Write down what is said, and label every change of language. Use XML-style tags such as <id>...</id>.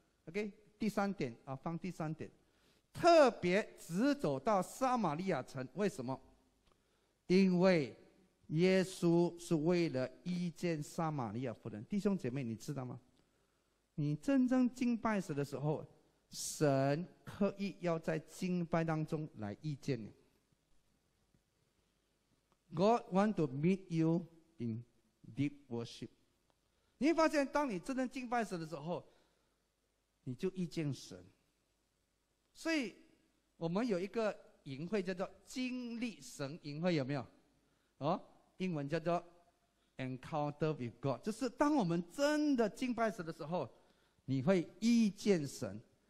<zh>OK， 第三点啊，放第三点，特别直走到撒玛利亚城。为什么？因为耶稣是为了遇见撒玛利亚妇人。弟兄姐妹，你知道吗？你真正敬拜时的时候，神刻意要在敬拜当中来遇见你。</zh> <en>God want to meet you in deep worship。</en> <zh>你发现当你真正敬拜时的时候，你就遇见神。所以我们有一个营会叫做经历神营会，有没有？英文叫做 Encounter with God， 就是当我们真的敬拜神的时候，你会遇见神。</zh>